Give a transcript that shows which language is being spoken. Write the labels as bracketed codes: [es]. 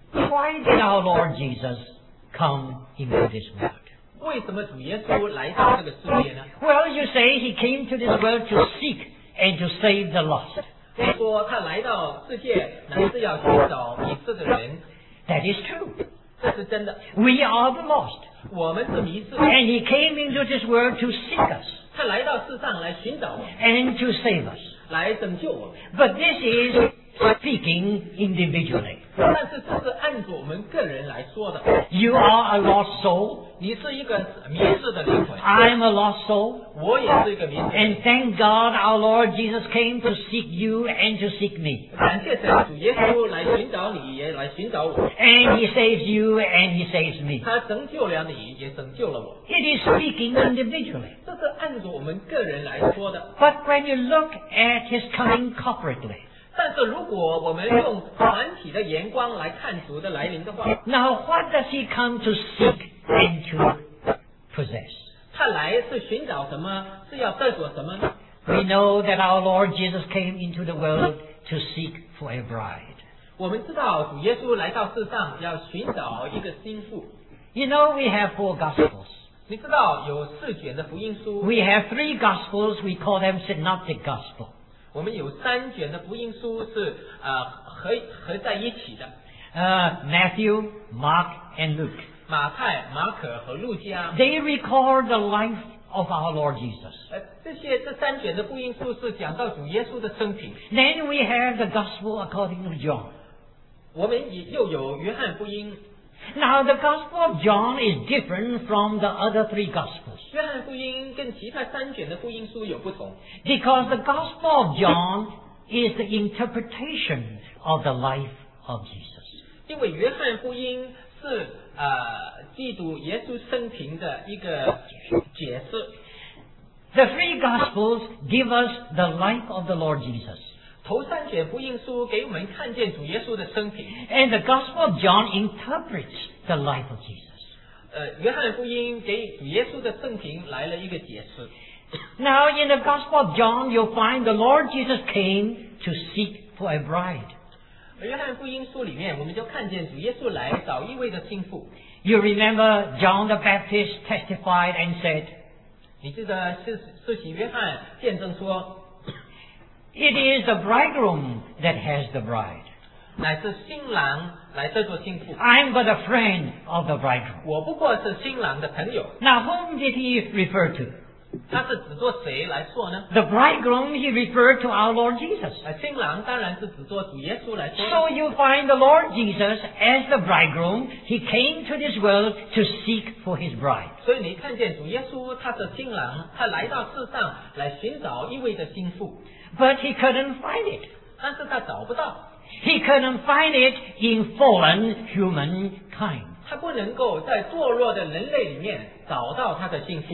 [en] Why did our Lord Jesus come into this world? [zh] 为什么主耶稣来到这个世界呢? [en] Well, you say he came to this world to seek and to save the lost. [zh] 说他来到世界乃是要寻找迷失的人。 [en] That is true. [zh] 这是真的。 [en] We are the lost. [zh] 我们是迷失。 [en] And he came into this world to seek us. [zh] 他来到世上来寻找我们。 [en] And to save us. [zh] 来拯救我们。 [en] But this is speaking individually. [zh] 但是这是按着我们个人来说的。 [en] You are a lost soul. [zh] 你是一个迷失的灵魂。 [en] I'm a lost soul. [zh] 我也是一个迷失。 [en] And thank God, our Lord Jesus came to seek you and to seek me. [zh] 感谢神，主耶稣来寻找你，也来寻找我。 [en] And He saves you and He saves me. [zh] 他拯救了你，也拯救了我。 [en] It is speaking individually. [zh] 这是按着我们个人来说的。 [en] But when you look at His coming corporately. [zh] 但是如果我们用团体的眼光来看主的来临的话 [en] Now what does he come to seek and to possess? [zh] 他来是寻找什么是要得着什么呢 [en] We know that our Lord Jesus came into the world to seek for a bride. [zh] 我们知道主耶稣来到世上要寻找一个心腹 [en] You know we have four gospels. [zh] 你知道有四卷的福音书 [en] We have three gospels, we call them synoptic gospels. [zh] 我们有三卷的福音书是合在一起的。 [en] Matthew, Mark, and Luke. [zh] 马太、马可和路加。 [en] They record the life of our Lord Jesus. [zh] 这三卷的福音书是讲到主耶稣的生平。 [en] Then we have the Gospel according to John. [zh] 我们又有约翰福音。 [en] Now the Gospel of John is different from the other three Gospels. [zh] 约翰福音跟其他三卷的福音书有不同。 [en] Because the Gospel of John is the interpretation of the life of Jesus. [zh] 因为约翰福音是基督耶稣生平的一个解释。 [en] The three Gospels give us the life of the Lord Jesus. [zh] 头三卷福音书给我们看见主耶稣的生平。 [en] And the Gospel of John interprets the life of Jesus. [zh] 约翰福音给主耶稣的生平来了一个解释。 [en] Now in the Gospel of John, you'll find the Lord Jesus came to seek for a bride. [zh] 约翰福音书里面，我们就看见主耶稣来找一位的心腹。 [en] You remember John the Baptist testified and said. [zh] 你记得施洗约翰见证说 [en] It is the bridegroom that has the bride. [zh] 乃是新郎来这座新妇。 [en] I'm but a friend of the bridegroom. [zh] 我不过是新郎的朋友。 [en] Now whom did he refer to? [zh] 他是指作谁来说呢？ [en] The bridegroom he referred to our Lord Jesus. [zh] 新郎当然是指作主耶稣来说。 [en] So you find the Lord Jesus as the bridegroom, he came to this world to seek for his bride. [zh] 所以你看见主耶稣他是新郎，他来到世上来寻找一位的心腹。 [en] But he couldn't find it. [zh] 但是他找不到。 [en] He couldn't find it in fallen humankind. [zh] 他不能够在堕落的人类里面找到他的心腹。